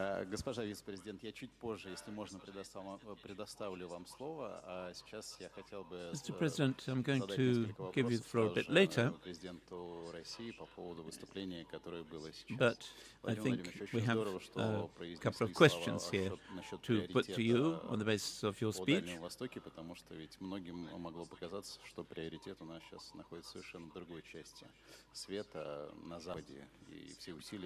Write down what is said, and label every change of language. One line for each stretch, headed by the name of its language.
Russian: Госпожа вице-президент, я чуть позже, если можно, предоставлю вам слово, а сейчас я хотел бы задать несколько вопросов президенту России по поводу выступления, которое было сейчас.
English: But I think we have a couple of questions here to put to you on the basis of your speech.
Russian: Потому что ведь многим могло показаться, что приоритет у нас сейчас находится совершенно в другой части света, на Западе, и все усилия.